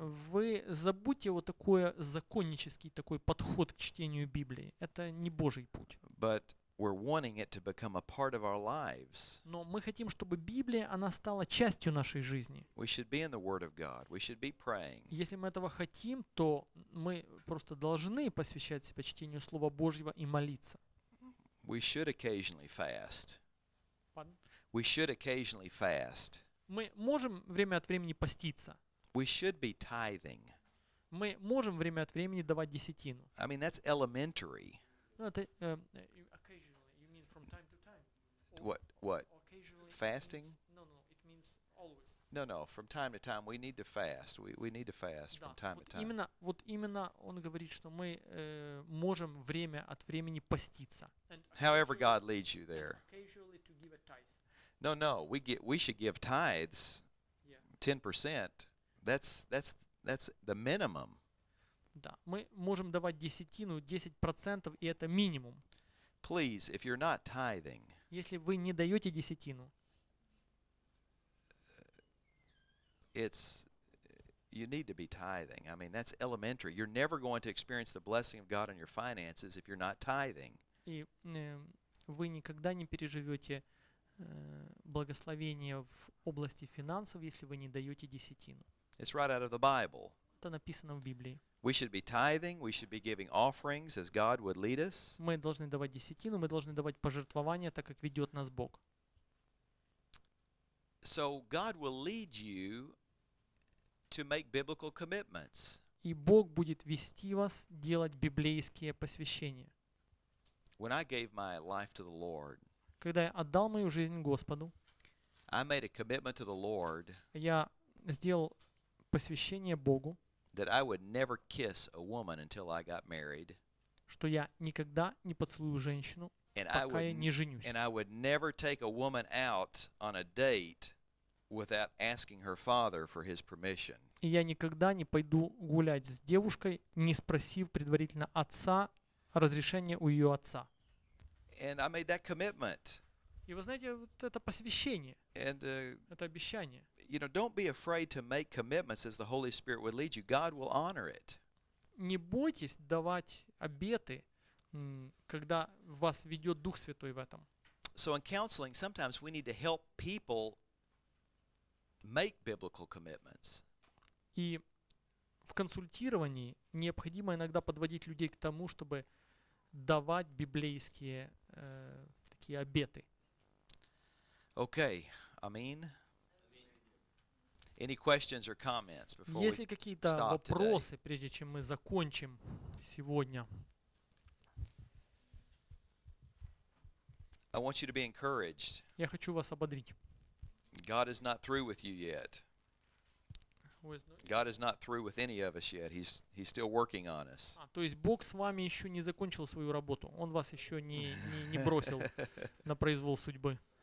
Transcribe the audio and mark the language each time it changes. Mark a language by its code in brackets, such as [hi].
[ru] Вы забудьте вот такой законнический такой подход к чтению Библии. Это не Божий путь. [en] But we're wanting it to become a part of our lives. [ru] Но мы хотим, чтобы Библия, она стала частью нашей жизни. [en] We should be in the Word of God. We should be praying. [ru] Если мы этого хотим, то мы просто должны посвящать себя чтению Слова Божьего и молиться. [en] We should occasionally fast. We should occasionally fast. [ru] Мы можем время от времени поститься. [en] We should be tithing. [ru] Мы можем время от времени давать десятину. [en] I mean, that's elementary. [ru] Ну, это, [en] occasionally, you mean from time to time. What? Occasionally fasting? No, it means always. No, from time to time, we need to fast. We need to fast from time [ru] вот [en] to time. [ru] Именно он говорит, что мы можем время от времени поститься. [en] However God leads you there. Occasionally to give a tithe. No, we should give tithes, 10%. That's the minimum. [ru] Да, мы можем давать десятину, 10%, и это минимум. [en] Please, if you're not tithing, [ru] если вы не даете десятину, [en] it's you need to be tithing. I mean, that's elementary. You're never going to experience the blessing of God on your finances if you're not tithing. [ru] И вы никогда не переживете благословение в области финансов, если вы не даете десятину. [en] It's right out of the Bible. [ru] Это написано в Библии. [en] We should be tithing, we should be giving offerings as God would lead us. [ru] Мы должны давать десятину, мы должны давать пожертвования, так как ведет нас Бог. [en] So God will lead you to make biblical commitments. [ru] И Бог будет вести вас делать библейские посвящения. [en] When I gave my life to the Lord, [ru] когда я отдал мою жизнь Господу, [en] I made a commitment to the Lord, [ru] я сделал посвящение Богу, [en] that I would never kiss a woman until I got married, [ru] что я никогда не поцелую женщину, пока я не женюсь. [en] And I would never take a woman out on a date without asking her father for his permission. [ru] И я никогда не пойду гулять с девушкой, не спросив предварительно отца разрешения у ее отца. [en] And I made that commitment. [ru] И вы знаете, вот это посвящение. [en] And [ru] это обещание. [en] You know, don't be afraid to make commitments as the Holy Spirit would lead you. God will honor it. [ru] Не бойтесь давать обеты, когда вас ведет Дух Святой в этом. [en] So in counseling, sometimes we need to help people make biblical commitments. [ru] И в консультировании необходимо иногда подводить людей к тому, чтобы давать библейские такие обеты. [en] Okay, Amin. Any questions or comments before we stop today? [ru] Есть ли какие-то вопросы, прежде чем мы закончим сегодня? [en] I want you to be encouraged. [ru] Я хочу вас ободрить. [en] God is not through with you yet. God is not through with any of us yet. He's still working on us. [ru] То есть Бог с вами еще не закончил свою работу. Он вас еще не бросил на произвол судьбы.